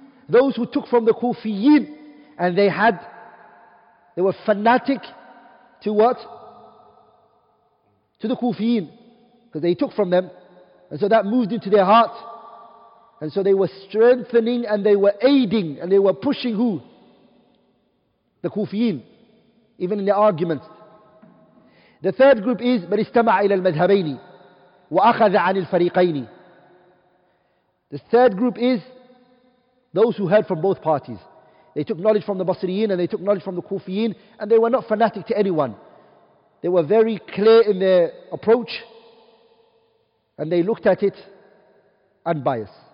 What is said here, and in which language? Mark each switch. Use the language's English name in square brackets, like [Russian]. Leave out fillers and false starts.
[English] Those who took from the Kufiyin, and they were fanatic to what? To the Kufiyin. Because they took from them. And so that moved into their hearts. And so they were strengthening and they were aiding and they were pushing who? The Kufiyin, even in their arguments. The third group is [Arabic] من استمع إلى المذهبين وأخذ عن الفريقين. [English] The third group is those who heard from both parties. They took knowledge from the Basriyin and they took knowledge from the Kufiyin, and they were not fanatic to anyone. They were very clear in their approach and they looked at it unbiased.